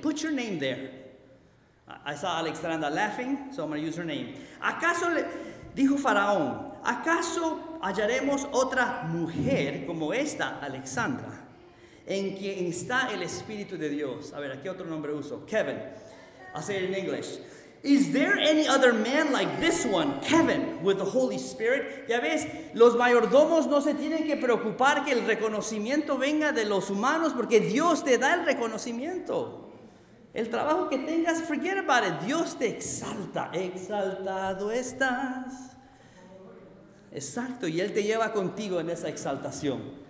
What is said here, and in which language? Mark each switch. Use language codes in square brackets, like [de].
[en] Put your name there. I saw Alexandra laughing, so I'm going to use her name. [es] ¿Acaso le dijo Faraón, ¿acaso hallaremos otra mujer como esta, Alexandra, en quien está el Espíritu de Dios? A ver, ¿qué otro nombre uso? Kevin. [en] I'll say it in English. Is there any other man like this one, Kevin, with the Holy Spirit? [es] Ya ves, los mayordomos no se tienen que preocupar que el reconocimiento venga de los humanos, porque Dios te da el reconocimiento. El trabajo que tengas, [en] forget about it. [es] Dios te exalta. Exaltado estás. Exacto, y Él te lleva contigo en esa exaltación.